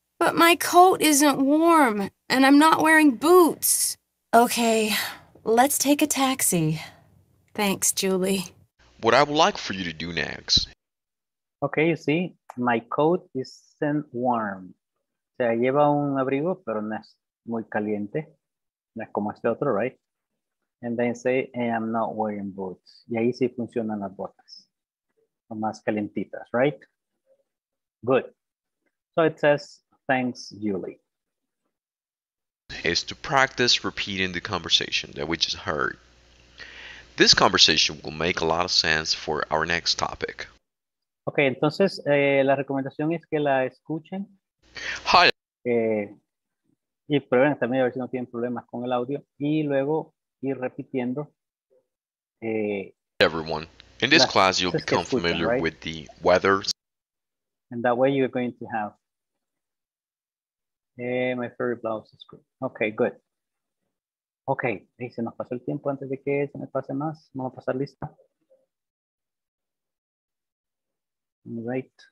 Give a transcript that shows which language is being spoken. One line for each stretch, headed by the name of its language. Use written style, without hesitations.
English: But my coat isn't warm and I'm not wearing boots. Okay, let's take a taxi. Thanks, Julie. What I would like for you to do next. Okay, you see, my coat isn't warm.
Spanish: O sea, lleva un abrigo, pero no es muy caliente. No es como este otro,
English: right? And then say, I'm not wearing boots.
Spanish: Y ahí sí funcionan las botas. Son más calientitas,
English: right?
Spanish: Good.
English: So it says, thanks, Julie. It's to practice repeating the conversation that we just heard. This conversation will make a lot of sense for our next topic.
Spanish: Okay, entonces la recomendación es que la escuchen.
English: Hi.
Spanish: Y prueben también a ver si no tienen problemas con el audio. Y luego ir repitiendo.
English: Everyone, in this class you'll become familiar with the weather. And that way you're going to have my favorite blouse is good. Okay, good.
Spanish: Okay, ahí se nos pasó el tiempo antes de que se me pase más. Vamos a pasar lista.
English: All right.